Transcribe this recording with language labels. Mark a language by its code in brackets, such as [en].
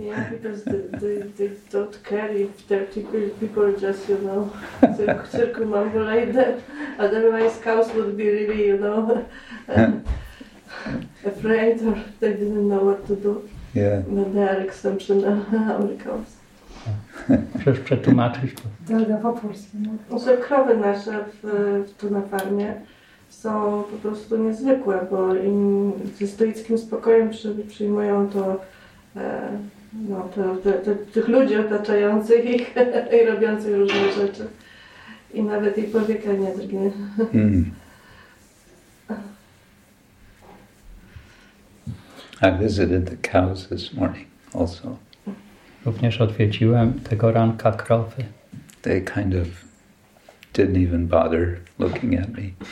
[en] Yeah, because they don't care if 30 people just, you know, circumambulate like that. Otherwise, cows would be really, you know, afraid, or they didn't know what to do. Yeah. But they are exceptional, our cows. [pl] Przecież przetłumaczyć to. Tak, po polsku. No. Te krowy nasze tu na farmie są po prostu niezwykłe, bo im ze stoickim spokojem przyjmują to, no, to tych ludzi otaczających ich i robiących różne rzeczy. I nawet ich powieka nie drgnie. [en] I visited the cows this morning also. [pl] Również odwiedziłem tego ranka krowy. [en] They kind of didn't even bother looking at me.